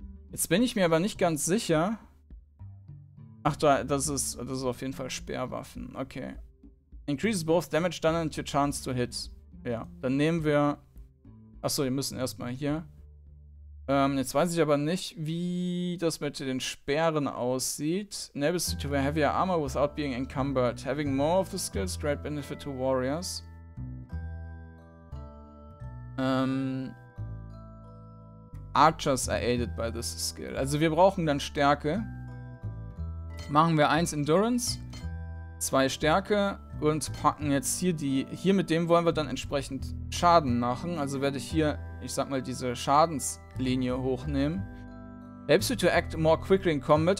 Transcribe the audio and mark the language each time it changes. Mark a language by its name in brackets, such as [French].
[German] Jetzt bin ich mir aber nicht ganz sicher. Ach, das ist auf jeden Fall Speerwaffen. Okay. [English] Increases both damage done and your chance to hit. [German] Ja, dann nehmen wir. Achso, wir müssen erstmal hier. Jetzt weiß ich aber nicht, wie das mit den Speeren aussieht. [English] Enables you to wear heavier armor without being encumbered. Having more of the skills, great benefit to warriors. Archers are aided by this skill. Also wir brauchen dann Stärke. [German] Machen wir 1 Endurance, 2 Stärke und packen jetzt hier die. Hier mit dem wollen wir dann entsprechend Schaden machen. Also werde ich hier, ich sag mal, diese Schadenslinie hochnehmen. [English] Helps you to act more quickly in combat.